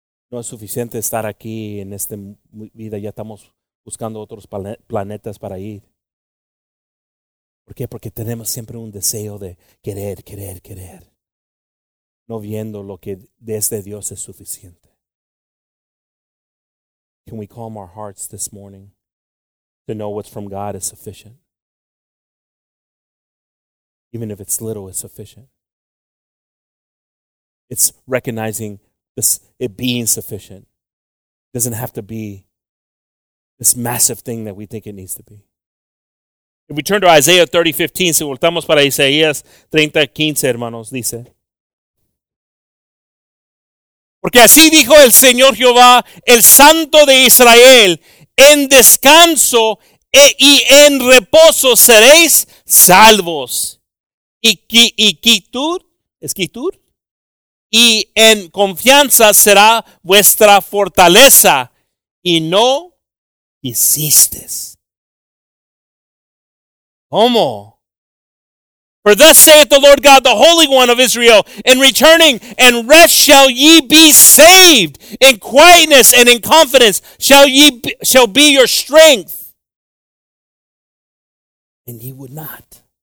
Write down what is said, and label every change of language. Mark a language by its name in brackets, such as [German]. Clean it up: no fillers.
[Spanish] No es suficiente estar aquí en esta vida. Ya estamos buscando otros planetas para ir. ¿Por qué? Porque tenemos siempre un deseo de querer. No viendo lo que desde Dios es suficiente. [English] Can we calm our hearts this morning to know what's from God is sufficient? Even if it's little, it's sufficient. It's recognizing this, it being sufficient. It doesn't have to be this massive thing that we think it needs to be. If we turn to Isaiah 30:15, [Spanish] si voltamos para Isaías 30:15, hermanos, dice. Porque así dijo el Señor Jehová, el Santo de Israel, en descanso y en reposo seréis salvos. Y quietud, ¿es quietud? Y en confianza será vuestra fortaleza, y no quisisteis. ¿Cómo? [English] For thus saith the Lord God, the Holy One of Israel, in returning and rest shall ye be saved. In quietness and in confidence shall be your strength. And ye would not.